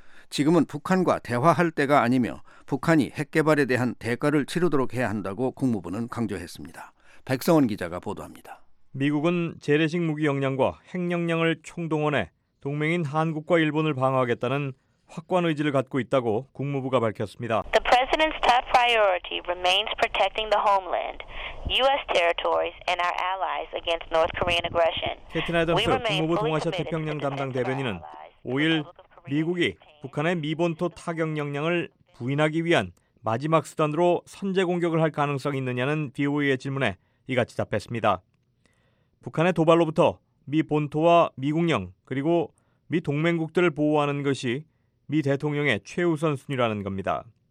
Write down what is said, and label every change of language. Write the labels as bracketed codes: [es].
[ko] 지금은 북한과 대화할 때가 아니며 북한이 핵 개발에 대한 대가를 치르도록 해야 한다고 국무부는 강조했습니다. 백성원 기자가 보도합니다. 미국은 재래식 무기 역량과 핵 역량을 총동원해 동맹인 한국과 일본을 방어하겠다는 확고한 의지를 갖고 있다고 국무부가 밝혔습니다. [en] The president's top priority remains protecting the homeland, U.S. territories and our allies against North Korean aggression. [ko] 캐티 나이던스 국무부 동아시아 태평양 담당 대변인은 5일 미국이 북한의 미본토 타격 역량을 부인하기 위한 마지막 수단으로 선제 공격을 할 가능성이 있느냐는 BOE의 질문에 이같이 답했습니다. 북한의 도발로부터 미 본토와 미국령 그리고 미 동맹국들을 보호하는 것이 미 대통령의 최우선순위라는 겁니다.